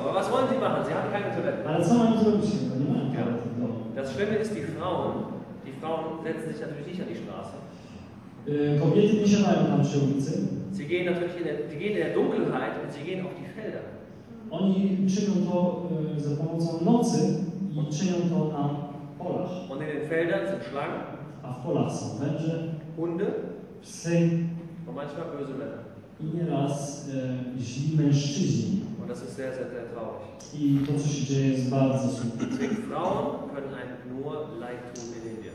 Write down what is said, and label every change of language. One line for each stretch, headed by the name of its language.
German: Aber was wollen Sie machen? Sie haben keine Toilette.
Polish: Ale co mam zrobić? Nie mam toilet.
German: Das Schlimme ist, die Frauen setzen sich natürlich nicht an die Straße.
Polish: Kobiety nie siadają tam przy ulicy.
German: Sie gehen natürlich in der Dunkelheit und sie gehen auf die Felder.
Polish: Oni czynią to za pomocą nocy i czynią to na polach.
German: Und in den Feldern sind Schlangen.
Polish: A w polach są węże.
German: Hunde.
Polish: Psy.
German: Und manchmal böse Männer.
Polish: I nieraz źli mężczyźni.
German: Und das ist sehr, sehr, sehr traurig.
Polish: I to, co się dzieje, jest bardzo smutne.
German: Deswegen Frauen können einem nur leid tun in Indien.